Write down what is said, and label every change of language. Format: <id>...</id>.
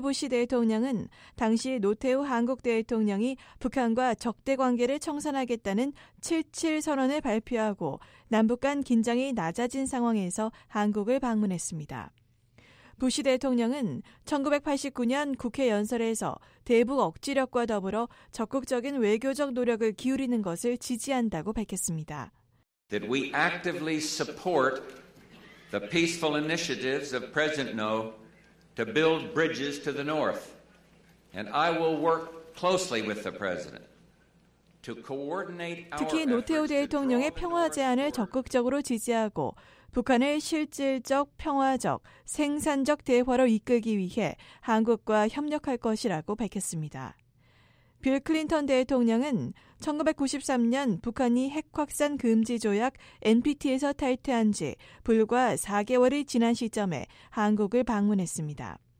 <ko>부시 대통령은 당시 노태우 한국 대통령이 북한과 적대 관계를 청산하겠다는 7.7 선언을 발표하고 남북 간 긴장이 낮아진 상황에서 한국을 방문했습니다. 부시 대통령은 1989년 국회 연설에서 대북 억지력과 더불어 적극적인 외교적 노력을 기울이는 것을 지지한다고 밝혔습니다.</ko> <en>That we actively support the peaceful initiatives of President No to build bridges to the North. And I will work closely with the President to coordinate our</en> <ko>특히 노태우 대통령의 평화 제안을 적극적으로 지지하고 북한을 실질적, 평화적, 생산적 대화로 이끌기 위해 한국과 협력할 것이라고 밝혔습니다. 빌 클린턴 대통령은 1993년 북한이 핵확산 금지 조약 NPT에서 탈퇴한 지 불과 4개월이 지난 시점에 한국을 방문했습니다.</ko>